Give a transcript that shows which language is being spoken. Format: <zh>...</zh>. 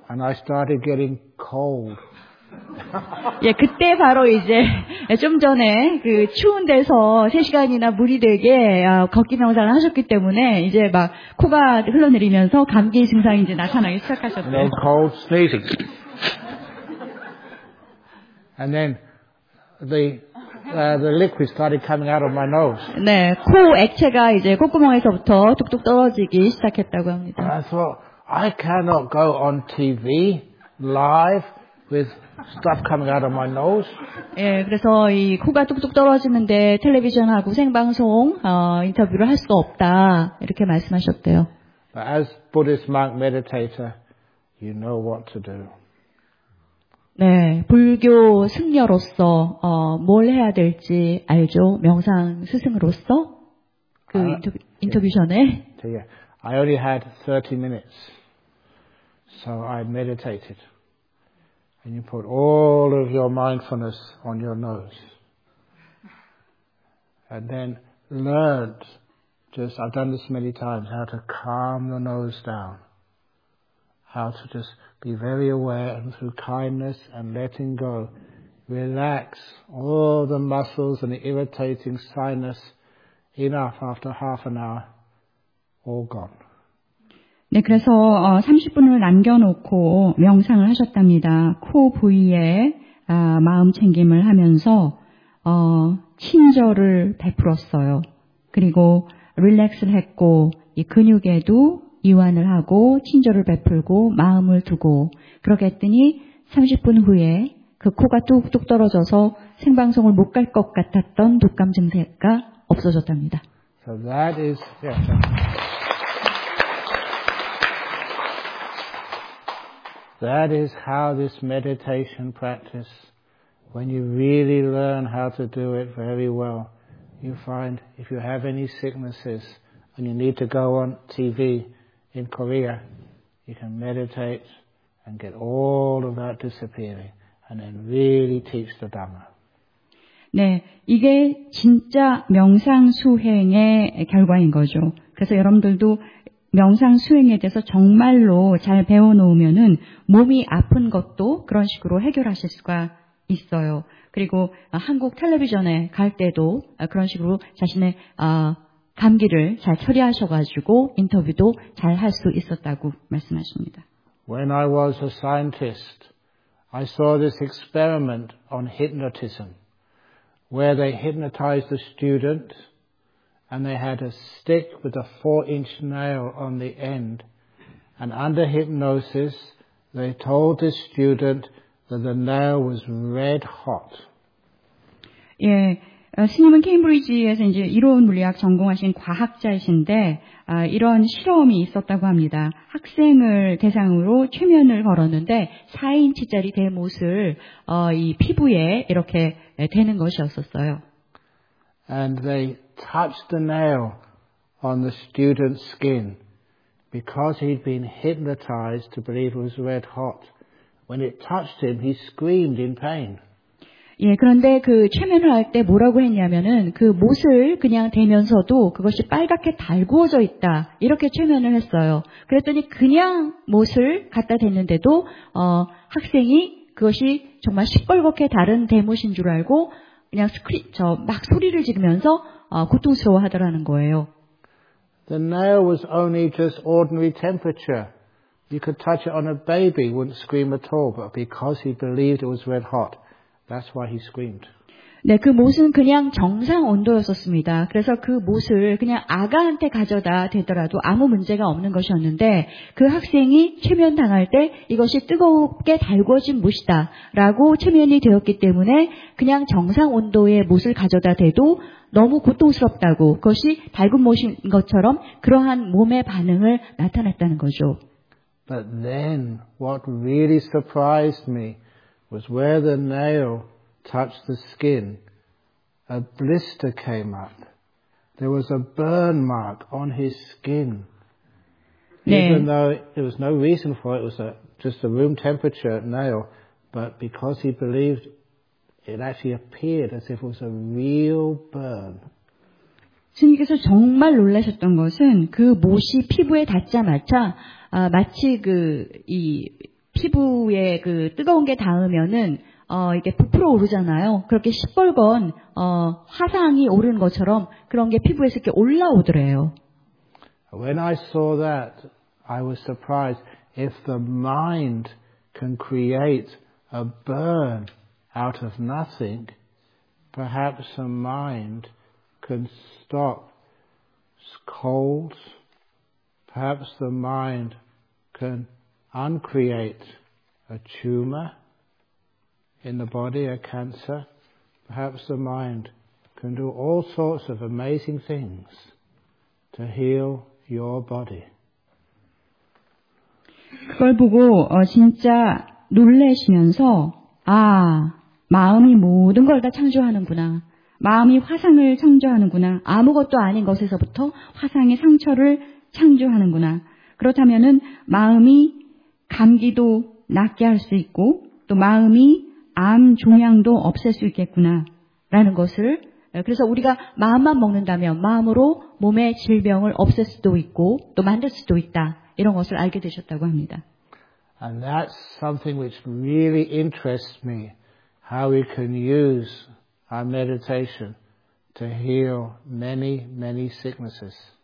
<en>And I started getting cold.</en> <ko>예, 그때 바로 이제 좀 전에 그 추운 데서 3시간이나 물이 되게 걷기 명상을 하셨기 때문에 이제 막 코가 흘러내리면서 감기 증상이 이제 나타나기 시작하셨대요.</ko> <en>And then cold sneezing. And then the liquid started coming out of my nose.</en> <ko>네, 코 액체가 이제 콧구멍에서부터 뚝뚝 떨어지기 시작했다고 합니다.</ko> <en>And I thought, I cannot go on TV live with stuff coming out of my nose.</en> <ko>예, 그래서 이 코가 뚝뚝 떨어지는데 텔레비전하고 생방송 인터뷰를 할 수 없다 이렇게 말씀하셨대요.</ko> <en>But as Buddhist monk meditator, you know what to do.</en> <ko>네, 불교 승려로서 뭘 해야 될지 알죠? 명상 스승으로서 그 인터뷰 전에.</ko> <en>So yeah, I only had 30 minutes, so I meditated. And you put all of your mindfulness on your nose. And then learned, just, I've done this many times, how to calm the nose down. How to just be very aware and through kindness and letting go, relax all the muscles and the irritating sinus enough after half an hour, all gone.</en> <ko>네, 그래서 30분을 남겨놓고 명상을 하셨답니다. 코 부위에 마음 챙김을 하면서 친절을 베풀었어요. 그리고 릴렉스를 했고 이 근육에도 이완을 하고 친절을 베풀고 마음을 두고 그렇게 했더니 30분 후에 그 코가 뚝뚝 떨어져서 생방송을 못 갈 것 같았던 독감 증세가 없어졌답니다.</ko> <en>So that is... Yeah. That is how this meditation practice, when you really learn how to do it very well, you find if you have any sicknesses and you need to go on TV in Korea, you can meditate and get all of that disappearing and then really teach the Dhamma.</en> <ko>네, 이게 진짜 명상 수행의 결과인 거죠. 그래서 여러분들도 명상 수행에 대해서 정말로 잘 배워놓으면은 몸이 아픈 것도 그런 식으로 해결하실 수가 있어요. 그리고 한국 텔레비전에 갈 때도 그런 식으로 자신의 감기를 잘 처리하셔가지고 인터뷰도 잘 할 수 있었다고 말씀하십니다.</ko> <en>When I was a scientist, I saw this experiment on hypnotism where they hypnotized the student. And they had a stick with a 4-inch nail on the end. And under hypnosis, they told the student that the nail was red hot.</en> <ko>예, 스님은 케임브리지에서 이제 이론 물리학 전공하신 과학자이신데 이런 실험이 있었다고 합니다. 학생을 대상으로 최면을 걸었는데 4인치짜리 대못을 이 피부에 이렇게 대는 것이었었어요.</ko> <en>And they touched the nail on the student's skin because he'd been hypnotized to believe it was red hot. When it touched him, he screamed in pain.</en> <ko>예, 그런데 그 최면을 할 때 뭐라고 했냐면은 그 못을 그냥 대면서도 그것이 빨갛게 달구어져 있다. 이렇게 최면을 했어요. 그랬더니 그냥 못을 갖다 댔는데도 학생이 그것이 정말 시뻘겋게 다른 대못인 줄 알고 그냥 막 소리를 지르면서 고통스러워하더라는 거예요.</ko> <en>The nail was only just ordinary temperature. You could touch it on a baby, wouldn't scream at all. But because he believed it was red hot, that's why he screamed.</en> <ko>네, 그 못은 그냥 정상 온도였었습니다. 그래서 그 못을 그냥 아가한테 가져다 대더라도 아무 문제가 없는 것이었는데 그 학생이 최면 당할 때 이것이 뜨겁게 달궈진 못이다 라고 최면이 되었기 때문에 그냥 정상 온도의 못을 가져다 대도 너무 고통스럽다고 그것이 달군 못인 것처럼 그러한 몸의 반응을 나타냈다는 거죠.</ko> <en>But then what really surprised me was where the nail touched the skin, a blister came up. There was a burn mark on his skin. Even though there was no reason for it, it was just a room temperature nail, but because he believed, it actually appeared as if it was a real burn.</en> <ko>스님께서 정말 놀라셨던 것은 그 못이 피부에 닿자마자 마치 그 이 피부에 그 뜨거운 게 닿으면은 이게 부풀어 오르잖아요. 그렇게 시뻘건 화상이 오른 것처럼 그런 게 피부에서 이렇게 올라오더래요.</ko> <en>When I saw that, I was surprised if the mind can create a burn out of nothing, perhaps a mind can stop colds, perhaps the mind can uncreate a tumor in the body, a cancer, perhaps the mind can do all sorts of amazing things to heal your body.</en> <ko>그걸 보고 진짜 놀래시면서 아, 마음이 모든 걸 다 창조하는구나. 마음이 화상을 창조하는구나. 아무것도 아닌 것에서부터 화상의 상처를 창조하는구나. 그렇다면은 마음이 감기도 낫게 할 수 있고 또 마음이 암 종양도 없앨 수 있겠구나라는 것을 그래서 우리가 마음만 먹는다면 마음으로 몸의 질병을 없앨 수도 있고 또 만들 수도 있다. 이런 것을 알게 되셨다고 합니다.</ko> <en>And that's something which really interests me. How we can use our meditation to heal many, many sicknesses.</en>